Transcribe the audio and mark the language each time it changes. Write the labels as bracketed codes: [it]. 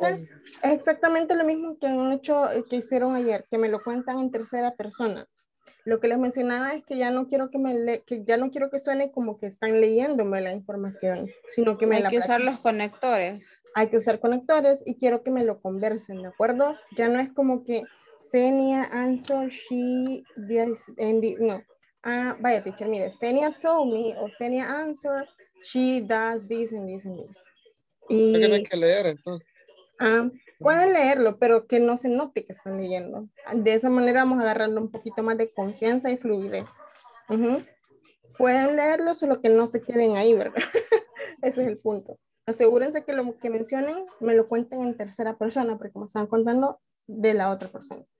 [es] Es exactamente lo mismo que han hecho, que hicieron ayer, que me lo cuentan en tercera persona. Lo que les mencionaba es que ya no quiero que me que suene como que están leyéndome la información, sino que me hay la hay que usar los conectores. Hay que usar conectores y quiero que me lo conversen, ¿de acuerdo? Ya no es como que Xenia [en] answer she this and the, [es] no. Ah, vaya, [en] teacher, [es] mire, [en] Xenia told me o Xenia answer she does this and this and this. [es] Y tienen que leer entonces. Ah, pueden leerlo, pero que no se note que están leyendo. De esa manera vamos agarrando un poquito más de confianza y fluidez. Uh-huh. Pueden leerlo, solo que no se queden ahí, ¿verdad? Ese es el punto. Asegúrense que lo que mencionen me lo cuenten en tercera persona, porque me están contando de la otra persona.